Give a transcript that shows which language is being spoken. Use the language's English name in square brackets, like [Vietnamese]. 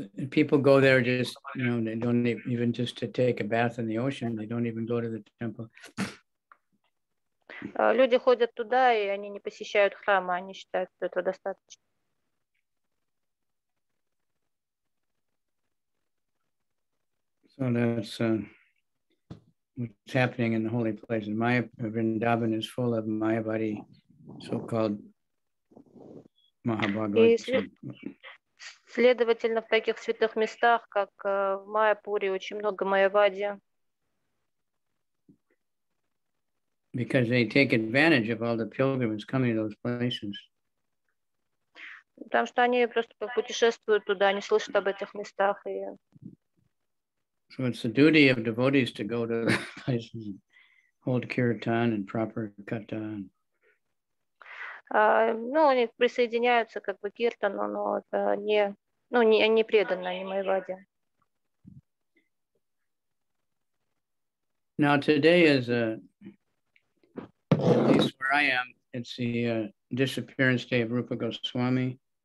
[English] People go there just, you know, they don't even just to take a bath in the ocean. They don't even go to the temple. [Russian] Люди ходят туда, и они не посещают храмы, они считают, что этого достаточно. [English] So that's what's happening in the holy place. And Maya Vrindavan is full of Mayavadi, so-called Mahabhagavata. [Russian] Следовательно, в таких святых местах, как в Майяпуре, очень много Майявади. [English] Because they take advantage of all the pilgrims coming to those places. [Russian] Потому что они просто путешествуют туда, они слышат об этих местах. И... [English] So it's the duty of devotees to go to the places and hold kirtan and proper katha. [Russian] Ну, они присоединяются как бы к киртану, но это не, ну, не преданно, не майваде. [English] Now today is a at least where I am, it's the disappearance day of Rupa Goswami.